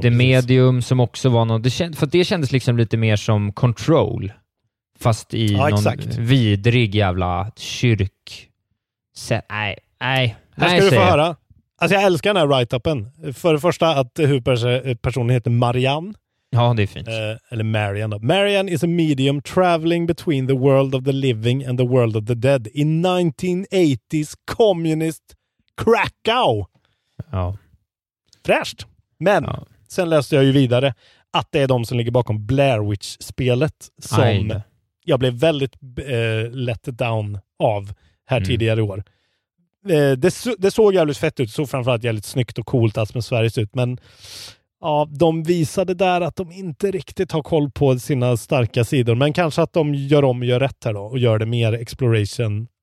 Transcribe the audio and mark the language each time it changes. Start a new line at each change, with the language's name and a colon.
Swedish: Det Medium som också var något, för det kändes liksom lite mer som Control fast i någon vidrig jävla kyrk. Nej. Ska du få höra. Alltså jag älskar den här write-upen. För det första att huvudpersonen heter Marianne. Ja, det är fint. Eller Marianne då.
English: Marianne is a medium traveling between the world of the living and the world of the dead in 1980s communist Krakow.
Swedish: Ja. Fräscht. Men sen läste jag ju vidare att det är de som ligger bakom Blair Witch-spelet som jag blev väldigt
English: let down
Swedish: av här tidigare år. Det såg jävligt fett ut. Det såg framförallt jävligt snyggt och coolt atmosfäriskt ut, men ja, de visade där att de inte riktigt har koll på sina starka sidor. Men kanske att de gör om och gör rätt här då. Och gör det mer exploration